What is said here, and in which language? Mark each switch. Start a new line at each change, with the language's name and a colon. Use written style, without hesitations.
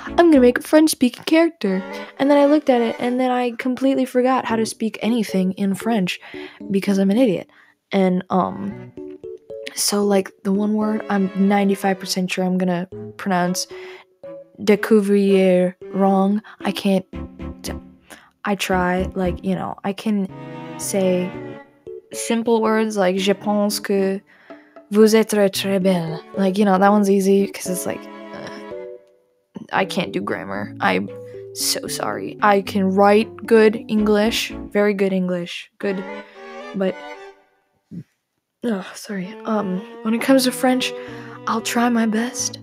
English: I'm gonna make a French-speaking character. And then I looked at it, and then I completely forgot how to speak anything in French because I'm an idiot. And, so, like, the one word I'm 95% sure I'm gonna pronounce découvrir wrong. I can't... I can say simple words like
French: je pense que vous êtes très belle.
English: Like, you know, that one's easy because it's like, I can't do grammar. I'm so sorry. I can write good English, very good English, good, but, sorry. When it comes to French, I'll try my best.